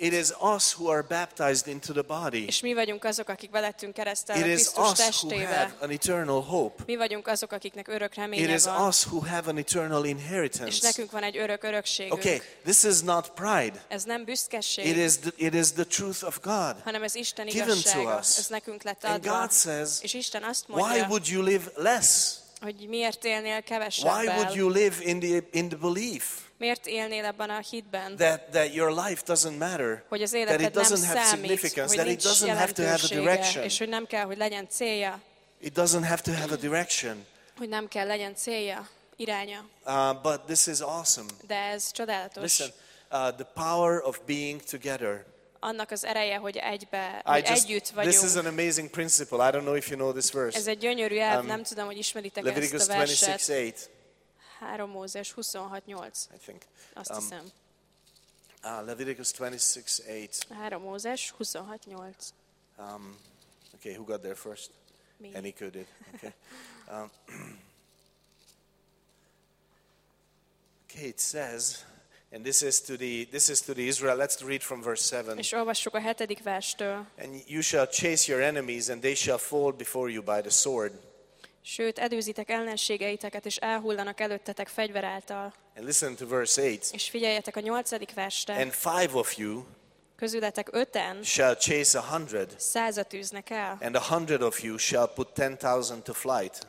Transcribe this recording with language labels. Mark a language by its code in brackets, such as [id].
[en] It is us who are baptized into the body. [hu] És mi vagyunk azok, akik belettünk keresztelve Krisztus testébe. [en] It is us who have an eternal hope. [hu] Mi vagyunk azok, akiknek örök reménye van. [en] It is us who have an eternal inheritance. [hu] És nekünk van egy örök örökségünk. [en] Okay, this is not pride. [hu] Ez nem büszkeség. [en] It is the truth of God. [hu] Hanem ez Isten [en] given to us. [hu] Ez nekünk lett adva. [en] And God says, [hu] és Isten azt mondja, [en] why would you live less? [hu] Hogy miért élnél kevesebbel? [en] Why would you live in the belief? [hu] Miért élnél abban a hitben? [en] That your life doesn't matter. [hu] Hogy az életed [en] that it doesn't [hu] nem [en] have [hu] számít, [en] significance, that it doesn't have to have a direction. [hu] És hogy nem kell, hogy legyen célja. [en] It doesn't have to have a direction. [hu] Hogy nem kell legyen célja, iránya. [en] But this is awesome. [hu] De ez csodálatos. [en] Listen, the power of being together. [hu] Annak az ereje, hogy egybe, hogy [en] just, [hu] együtt vagyunk. [en] This is an amazing principle. I don't know if you know this verse. [hu] Ez egy gyönyörű elv, nem tudom, hogy ismeritek [en] Leviticus [hu] ezt a verset. [en] Leviticus 26:8. [hu] 3 Mózes 26:8. [en] I think. [hu] Azt hiszem. [en] Leviticus 26:8. [hu] 3 Mózes 26:8. [en] Okay, who got there first? Me. And he could it. Okay, it says, and this is to the Israel. Let's read from verse 7. [hu] És olvassuk a hetedik verstől. [en] And you shall chase your enemies, and they shall fall before you by the sword. [hu] Sőt, edőzitek ellenségeiteket, és elhullanak előttetek fegyver által. [en] And listen to verse 8. [hu] És figyeljetek a nyolcadik verstre. [en] And five of you [hu] közületek öten [en] shall chase 100. [hu] Százat űznek el. [en] And 100 of you shall put 10,000 to flight.